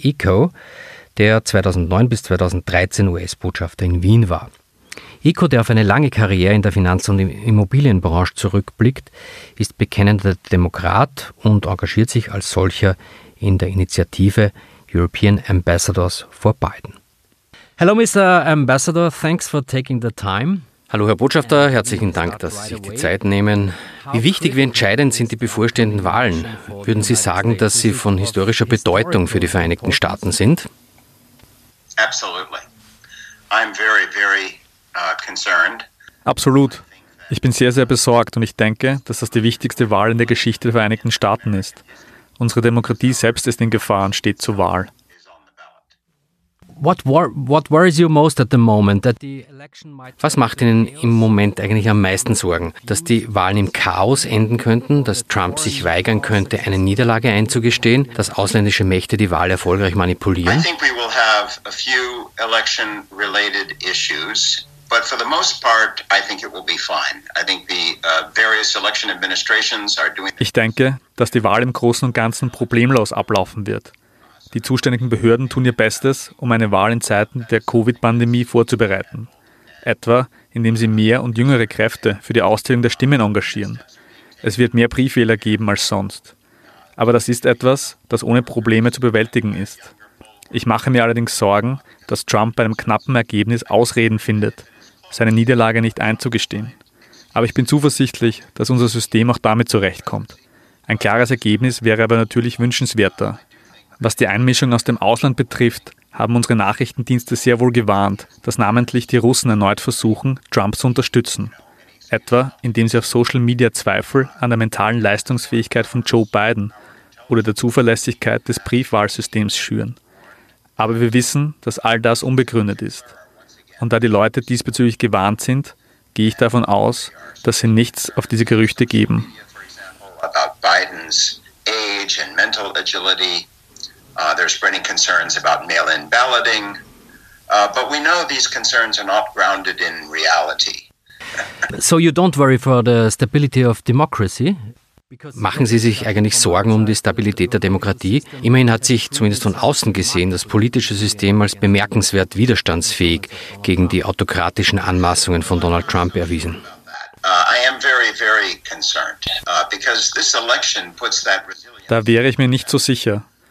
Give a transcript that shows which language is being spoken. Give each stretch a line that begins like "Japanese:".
German: Eco, der 2009 bis 2013 US-Botschafter in Wien war. Eco, der auf eine lange Karriere in der Finanz- und Immobilienbranche zurückblickt, ist bekennender Demokrat und engagiert sich als solcher in der Initiative European Ambassadors for Biden.
English: Hello, Mr. Ambassador, thanks for taking the time.
German: Hallo, Herr Botschafter, herzlichen Dank, dass Sie sich die Zeit nehmen. Wie wichtig, wie entscheidend sind die bevorstehenden Wahlen? Würden Sie sagen, dass sie von historischer Bedeutung für die Vereinigten Staaten sind?
English: Absolutely. I'm very, very concerned.
German: Absolut. Ich bin sehr, sehr besorgt und ich denke, dass das die wichtigste Wahl in der Geschichte der Vereinigten Staaten ist. Unsere Demokratie selbst ist in Gefahr und steht zur Wahl.
English: What worries you most at the moment? That the election might.
German: Was macht Ihnen im Moment eigentlich am meisten Sorgen? Dass die Wahlen im Chaos enden könnten, dass Trump sich weigern könnte, eine Niederlage einzugestehen, dass ausländische Mächte die Wahl erfolgreich manipulieren?
English: I think we will have a few election related issues, but for the most part I think it will be fine. I think the various election administrations are doing.
German: Ich denke, dass die Wahl im Großen und Ganzen problemlos ablaufen wird. Die zuständigen Behörden tun ihr Bestes, um eine Wahl in Zeiten der Covid-Pandemie vorzubereiten. Etwa, indem sie mehr und jüngere Kräfte für die Auszählung der Stimmen engagieren. Es wird mehr Briefwähler geben als sonst. Aber das ist etwas, das ohne Probleme zu bewältigen ist. Ich mache mir allerdings Sorgen, dass Trump bei einem knappen Ergebnis Ausreden findet, seine Niederlage nicht einzugestehen. Aber ich bin zuversichtlich, dass unser System auch damit zurechtkommt. Ein klares Ergebnis wäre aber natürlich wünschenswerter. Was die Einmischung aus dem Ausland betrifft, haben unsere Nachrichtendienste sehr wohl gewarnt, dass namentlich die Russen erneut versuchen, Trump zu unterstützen. Etwa, indem sie auf Social Media Zweifel an der mentalen Leistungsfähigkeit von Joe Biden oder der Zuverlässigkeit des Briefwahlsystems schüren. Aber wir wissen, dass all das unbegründet ist. Und da die Leute diesbezüglich gewarnt sind, gehe ich davon aus, dass sie nichts auf diese Gerüchte geben.
English: About Bidens age and mental agility. They're spreading concerns about mail-in balloting, but we know these concerns are not grounded in reality. So you don't worry for the stability of democracy?
German: Machen Sie sich eigentlich Sorgen um die Stabilität der Demokratie? Immerhin hat sich, zumindest von außen gesehen, das politische System als bemerkenswert widerstandsfähig gegen die autokratischen Anmaßungen von Donald Trump erwiesen. Da wäre ich mir nicht so sicher.